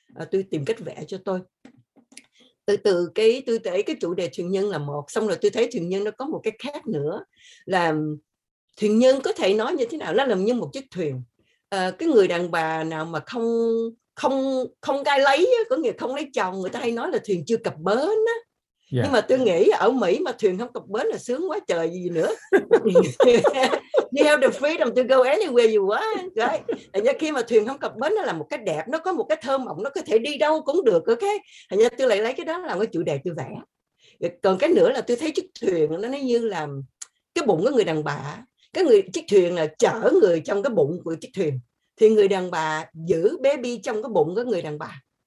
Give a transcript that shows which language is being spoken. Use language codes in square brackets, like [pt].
[vi] Tôi tìm cách vẽ cho tôi. Từ cái tôi thấy cái chủ đề thuyền nhân là một, xong rồi tôi thấy thuyền nhân nó có một cái khác nữa, là thuyền nhân có thể nói như thế nào, nó là như một chiếc thuyền. Cái người đàn bà nào mà không gai lấy, có nghĩa không lấy chồng, người ta hay nói là thuyền chưa cập bến á, Yeah. Nhưng mà tôi nghĩ ở Mỹ mà thuyền không cập bến là sướng quá trời gì nữa. [en] You have the freedom to go anywhere you want. Right? [vi] Nhưng khi mà thuyền không cập bến nó là một cái đẹp, nó có một cái thơ mộng, nó có thể đi đâu cũng được. Okay? Nhưng tôi lại lấy cái đó làm cái chủ đề tôi vẽ. Còn cái nữa là tôi thấy chiếc thuyền nó như là cái bụng của người đàn bà. Cái người chiếc thuyền là chở người trong cái bụng của chiếc thuyền. Thì người đàn bà giữ baby trong cái bụng của người đàn bà.